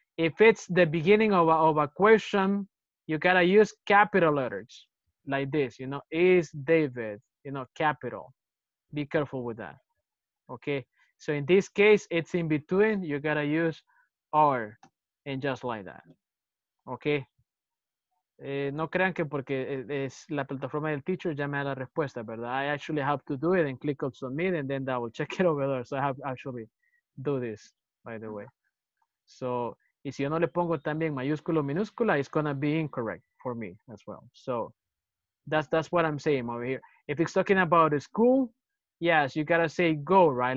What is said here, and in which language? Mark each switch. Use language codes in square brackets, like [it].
[en] If it's the beginning of a question, you gotta use capital letters like this, you know, is David, you know, capital. Be careful with that, okay? So in this case, it's in between, you gotta use R and just like that, okay? [es] No crean que porque es la plataforma del teacher ya me da la respuesta, ¿verdad? [en] I actually have to do it and click on submit and then double check it over there. So I have actually do this, by the way. [es] So, y si yo no le pongo también mayúsculo minúscula, [en] it's gonna be incorrect for me as well. So that's what I'm saying over here. If it's talking about a school, yes, you gotta say go, right?